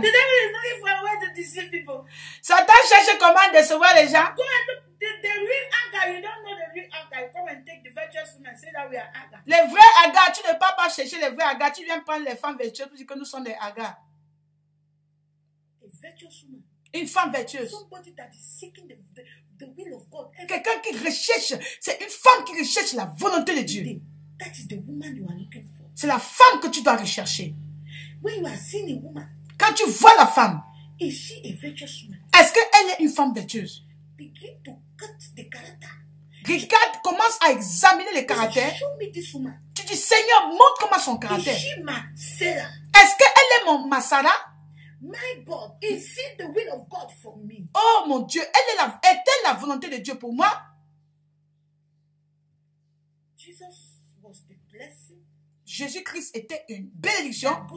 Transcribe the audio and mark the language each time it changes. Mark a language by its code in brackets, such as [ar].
[en] The devil is looking for a way to deceive people. [fr] Satan cherche comment décevoir les gens. [en] Go and look, the real Agar, you don't know the real Agar. Come and take the virtuous woman and say that we are Agar. [fr] Les vrais Agar, tu ne peux pas chercher les vrais Agar, tu viens prendre les femmes vertueuses pour dire que nous sommes les Agar. Une femme vertueuse. [en] Somebody that is seeking the will of God. [fr] Quelqu'un qui recherche, c'est une femme qui recherche la volonté de Dieu. [en] That is the woman you are looking for. [fr] C'est la femme que tu dois rechercher. [en] When you are seeing a woman, [fr] quand tu vois la femme, [en] is she a virtuous woman? [fr] Est-ce qu'elle est une femme vertueuse? [en] Begin to cut the character. [fr] Regarde, commence à examiner le caractère. [en] Show me this woman. [fr] Tu dis, Seigneur, montre comment son caractère. [en] Is she my Sarah? [fr] Est-ce qu'elle est ma Sarah? [en] My God, is it the will of God for me? [fr] Oh mon Dieu, est-elle la volonté de Dieu pour moi? [en] Jesus was the blessing. [fr] Jésus-Christ était une bénédiction.